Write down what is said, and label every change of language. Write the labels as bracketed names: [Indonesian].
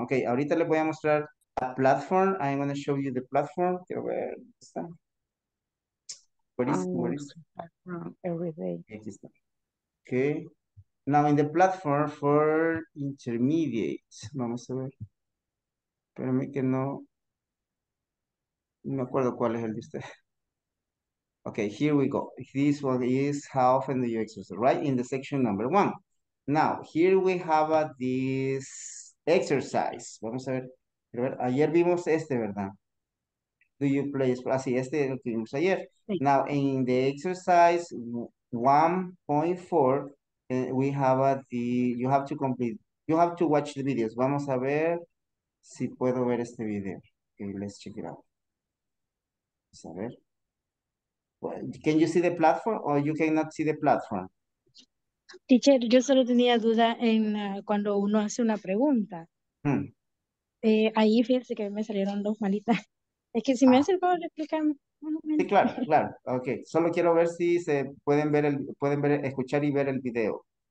[Spanish] Ok, ahorita les voy a mostrar la platform. [English] I'm going to show you the platform. [Spanish] Quiero ver, ¿dónde está? [English] ¿Where is? Every day. [Spanish] Aquí está. [English] Ok, now in the platform for intermediate, [Spanish] vamos a ver. Espérame que no, no me acuerdo cuál es el de usted. [English] Okay, here we go. This one is how often do you exercise, right? In the section number one. Now, here we have this exercise. [Spanish] Vamos a ver. A ver, ayer vimos este, ¿verdad? [English] Do you play sports? [Spanish] Ah, sí, este lo vimos ayer. Sí. [English] Now, in the exercise 1.4, we have you have to complete, you have to watch the videos. [Spanish] Vamos a ver. Si puedo ver este video. [English] Okay, let's check it out. [Spanish] Vamos a ver. [English] Well, can you see the platform or you cannot see the platform? [Spanish] Teacher, yo solo tenía duda en cuando uno hace una pregunta. Ahí fíjense que me salieron dos malitas. Es que si me hace el favor de explicarme. Sí, claro, claro. Okay. Solo quiero ver si se pueden ver escuchar y ver el video.